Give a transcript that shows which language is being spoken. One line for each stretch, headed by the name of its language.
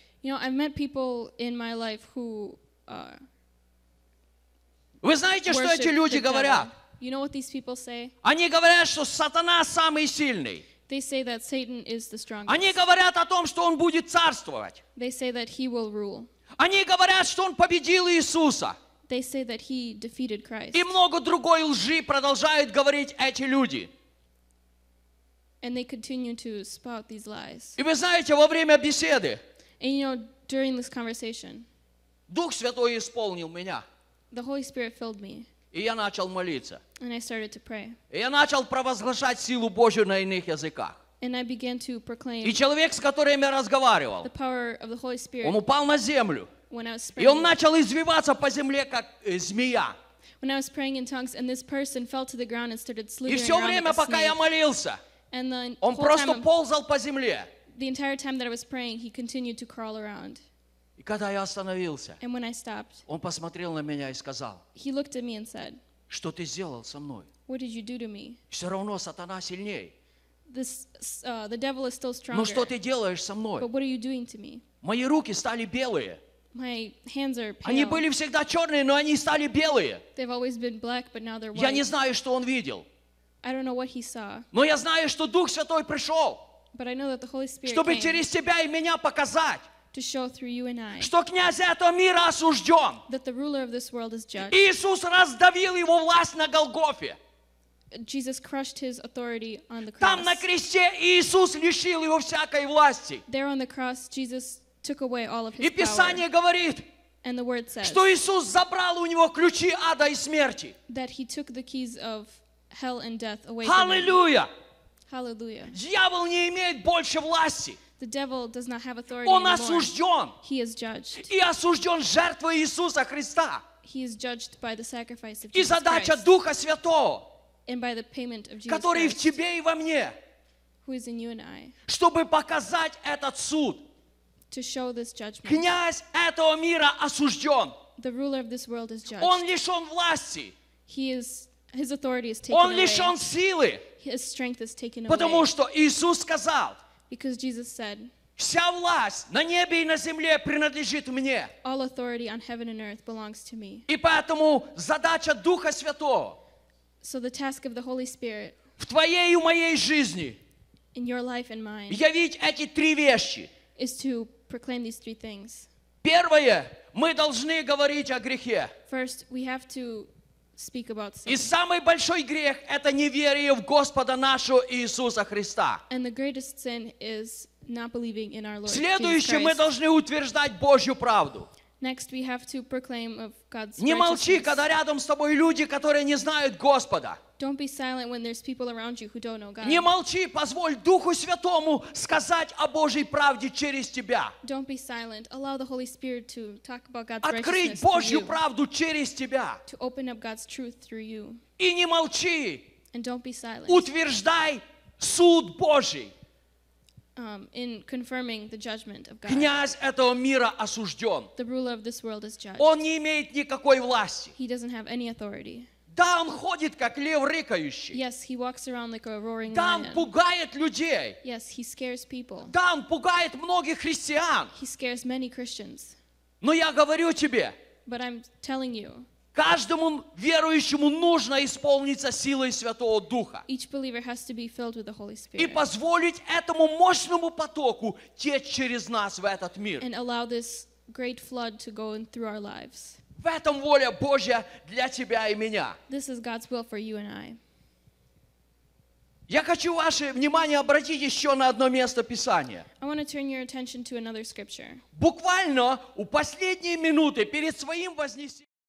English: You know, I've met people in my life who
Russian: Вы знаете, что эти люди говорят?
English: You know what these people say?
Russian: Они говорят, что сатана самый сильный.
English: They say that Satan is the strongest.
Russian: Они говорят о том, что он будет царствовать.
English: They say that he will rule.
Russian: Они говорят, что он победил Иисуса.
English: They say that he defeated Christ.
Russian: И много другой лжи продолжают говорить эти люди.
English: And they continue to spout these lies.
Russian: И вы знаете, во время беседы
English: And you know, during this conversation,
Russian: Дух Святой исполнил меня.
English: The Holy Spirit filled me.
Russian: И я начал молиться.
English: And I started to pray.
Russian: И я начал провозглашать силу Божию на иных языках.
English: And I began to proclaim.
Russian: И человек, с которым я разговаривал,
English: the power of the Holy Spirit,
Russian: он упал на землю.
English: When I was praying,
Russian: и он начал извиваться по земле, как змея.
English: When I was praying in tongues, and this person fell to the ground and started slithering around.
Russian: И все время,
English: like a
Russian: пока
English: snake.
Russian: Я молился,
English: and the
Russian: он просто ползал по земле.
English: The entire time that I was praying, he continued to crawl around.
Russian: И когда я остановился,
English: and when I stopped,
Russian: он посмотрел на меня и сказал,
English: he looked at me and said,
Russian: что ты сделал со мной?
English: What did you do to me?
Russian: Все равно сатана сильней.
English: This, the devil is still stronger.
Russian: Но что ты делаешь со мной?
English: But what are you doing to me?
Russian: Мои руки стали белые.
English: My hands are pale.
Russian: Они были всегда черные, но они стали белые.
English: They've always been black, but now they're white.
Russian: Я не знаю, что он видел.
English: I don't know what he saw.
Russian: Но я знаю, что Дух Святой пришел.
English: But I know that the Holy Spirit
Russian: чтобы
English: came
Russian: через тебя и меня показать,
English: to show through you and I,
Russian: что князь этого мира осужден.
English: That the ruler of this world is judged.
Russian: Иисус раздавил его власть на Голгофе.
English: Jesus crushed his authority on the cross.
Russian: Там на кресте Иисус лишил его всякой власти.
English: There on the cross, Jesus took away all of his
Russian: и Писание
English: power.
Russian: Говорит,
English: and the word says,
Russian: что Иисус забрал у него ключи ада и смерти.
English: That he took the keys of hell and death away Hallelujah. From him. Hallelujah.
Russian: Дьявол не имеет больше власти.
English: The devil does not have authority anymore.
Russian: Он осужден.
English: He is judged.
Russian: И осужден жертвой Иисуса Христа.
English: He is judged by the sacrifice of Christ.
Russian: И задача Духа Святого,
English: and by the payment of Jesus
Russian: который
English: Christ,
Russian: в тебе и во мне,
English: who is in you and I,
Russian: чтобы показать этот суд.
English: To show this judgment.
Russian: Князь этого мира осужден.
English: The ruler of this world is judged.
Russian: Он лишен власти.
English: He is, his authority is taken
Russian: Он
English: away.
Russian: Лишен силы.
English: His strength is taken away.
Russian: Потому что Иисус сказал,
English: because Jesus said,
Russian: вся власть на небе и на земле принадлежит мне.
English: All authority on heaven and earth belongs to me.
Russian: И поэтому задача Духа Святого,
English: so the task of the Holy Spirit,
Russian: в твоей и моей жизни,
English: in your life and mine,
Russian: явить эти три вещи,
English: is to proclaim these three things.
Russian: Первое, мы должны говорить о грехе.
English: First, we have to speak about sin.
Russian: И самый большой грех – это неверие в Господа нашего Иисуса Христа.
English: And the greatest sin is not believing in our Lord
Russian: Следующий, мы должны утверждать Божью правду.
English: Next, we have to proclaim of God's
Russian: Не молчи, когда рядом с тобой люди, которые не знают Господа.
English: Don't be silent when there's people around you who don't know God.
Russian: Не молчи, позволь Духу Святому сказать о Божьей правде через тебя.
English: Don't be silent. Allow the Holy Spirit to talk about God's
Russian: Открыть Открыть Божью
English: through you.
Russian: Правду через тебя.
English: To open up God's truth through you.
Russian: И не молчи.
English: And don't be silent.
Russian: Утверждай суд Божий.
English: In confirming the judgment of God.
Russian: Князь этого мира осужден.
English: The ruler of this world is judged.
Russian: Он не имеет никакой власти.
English: He doesn't have any authority.
Russian: Да, он ходит, как лев рыкающий.
English: Yes, he walks around like a roaring
Russian: да,
English: lion.
Russian: Да, он пугает людей.
English: Yes, he scares people.
Russian: Да, он пугает многих христиан.
English: He scares many Christians.
Russian: Но я говорю тебе,
English: But I'm telling you,
Russian: каждому верующему нужно исполниться силой Святого Духа.
English: Each believer has to be filled with the Holy Spirit.
Russian: И позволить этому мощному потоку течь через нас в этот мир.
English: And allow this great flood to go in through our lives.
Russian: В этом воля Божья для тебя и меня.
English: This is God's will for you and I.
Russian: Я хочу ваше внимание обратить еще на одно место Писания.
English: I want to turn your attention to another scripture.
Russian: Буквально у последней минуты перед своим вознесением